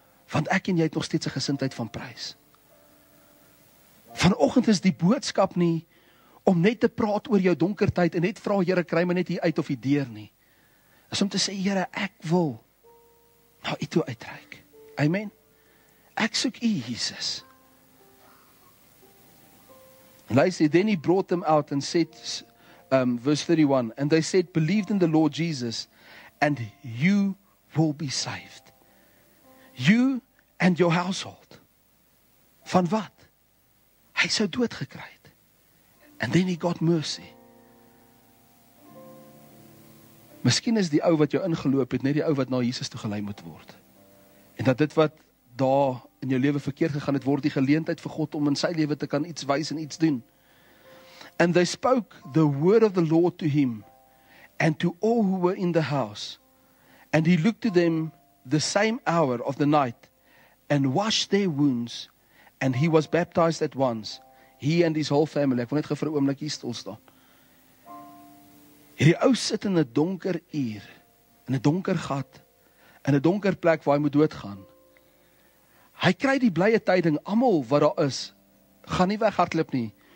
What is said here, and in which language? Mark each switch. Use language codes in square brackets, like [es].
[af] Want ek en jy het nog steeds 'n gesindheid van prys. Vanoggend is die boodskap nie om net te praat oor jou donker tyd en net vra Here, kry my net hier uit of die deur nie. Is om te sê Here, ek wil nou u toe uitreik. Amen. Ek soek u, Jesus. [en] And I said, then he brought them out and said, verse 31, and they said, believed in the Lord Jesus, and you will be saved. You and your household. [af] Van wat? Hy sou dood gekry het. [en] And then he got mercy. [af] Miskien is die ou wat jou ingeloop het, net die ou wat na Jesus toe gelei moet word. En dat dit wat daar in jou lewe verkeerd gegaan het, word die geleentheid vir God om in sy lewe te kan iets wys en iets doen. [en] And they spoke the word of the Lord to him and to all who were in the house. And he looked to them the same hour of the night and washed their wounds. And he was baptized at once, he and his whole family. [af] Ek wil net vir 'n oomblik hier stil staan. Hierdie ou sit in 'n donker uur, in 'n donker gat, in 'n donker plek waar hy moet doodgaan. Hy kry die blye tyding, almal wat daar is, gaan nie weghardloop nie.